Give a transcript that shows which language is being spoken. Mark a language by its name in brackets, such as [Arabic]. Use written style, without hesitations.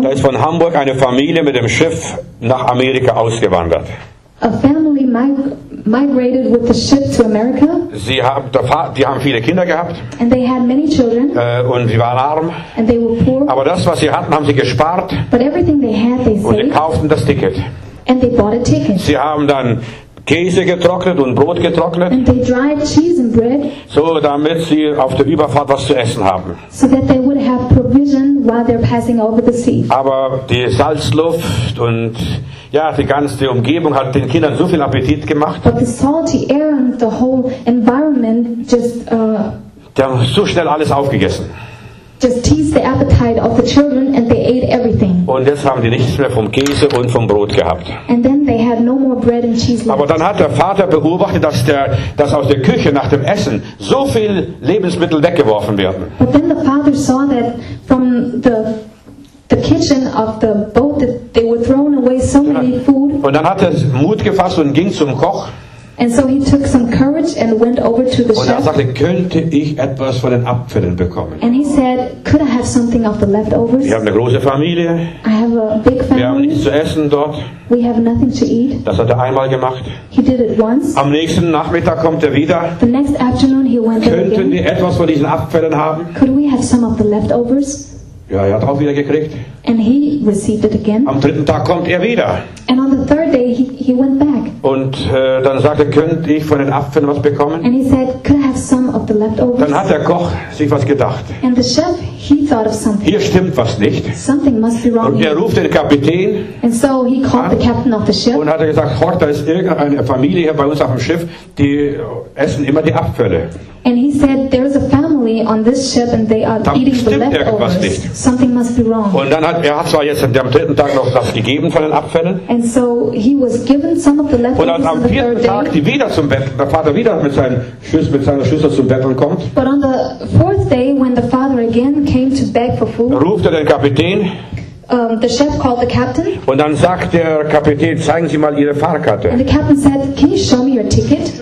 [German] da ist von Hamburg eine Familie mit dem Schiff nach Amerika ausgewandert. [English] A family migrated with the ship to America. [German] Die haben viele Kinder gehabt. [English] And they had many children. [German] Und sie waren arm. [English] And they were poor. [German] Aber das, was sie hatten, haben sie gespart. [English] But everything they had, they [German] und sie kauften das Ticket. [English] And they bought a ticket. [German] Sie haben dann Käse getrocknet und Brot getrocknet. [English] And they dried cheese and bread. [German] So, damit sie auf der Überfahrt was zu essen haben. [English] So that they would have provision while they're passing over the sea. [German] Aber die Salzluft und ja, die ganze Umgebung hat den Kindern so viel Appetit gemacht. [English] But the salty air and the whole environment just [German] die haben so schnell alles aufgegessen. [English] Just teased the appetite of the children and they ate everything. [German] Und jetzt haben die nichts mehr vom Käse und vom Brot gehabt. [English] And then they had no more bread and cheese left. [German] Aber dann hat der Vater beobachtet, dass aus der Küche nach dem Essen so viel Lebensmittel weggeworfen werden. [English] But then the father saw that from the kitchen of the boat that they were throwing away so many food. [German] Und dann hat er Mut gefasst und ging zum Koch. [English] And so he took some courage and went over to the [German] und Und er sagte, könnte ich etwas von den Abfällen bekommen? [English] And he said, could I have something of the leftovers? [German] Wir haben eine große Familie. [English] I have a big family. [German] Wir haben nichts zu essen dort. [English] We have nothing to eat. [German] Das hat er einmal gemacht. [English] He did it once. [German] Am nächsten Nachmittag kommt er wieder. [English] The next afternoon he went [German] könnten [English] there again. [German] Könnten wir etwas von diesen Abfällen haben? [English] Could we have some of the leftovers? [German] Ja, er hat auch wieder gekriegt. [English] And he received it again. [German] Am dritten Tag kommt er wieder. [English] And on the third day he went back. [German] Und dann sagte er, könnte ich von den Abfällen was bekommen? [English] And he said, could I have some of the leftovers? [German] Dann hat der Koch sich was gedacht. [English] And the chef, he thought of something. [German] Hier stimmt was nicht. [English] Something must be wrong. [German] Und er ruft den Kapitän. [English] And so he called the captain of the ship. [German] Und hat er gesagt, hoch, da ist irgendeine Familie hier bei uns auf dem Schiff, die essen immer die Abfälle. [English] And he said, there is a family on this ship and they are [German] dann [English] eating the leftovers. [German] Stimmt irgendwas nicht. [English] Something must be wrong. [German] Und dann hat zwar jetzt am dritten Tag noch was gegeben von den Abfällen. [English] And so he was given some of the leftovers. [German] Und dann am vierten Tag, die wieder zum Betteln, der Vater wieder mit seiner Schüssel zum Betteln kommt. [English] But on the fourth day, when the father again came to beg for food, [German] ruft er den Kapitän. [English] The chef called the captain. [German] Und dann sagt der Kapitän, zeigen Sie mal Ihre Fahrkarte. [English] And the captain said, can you show me your ticket?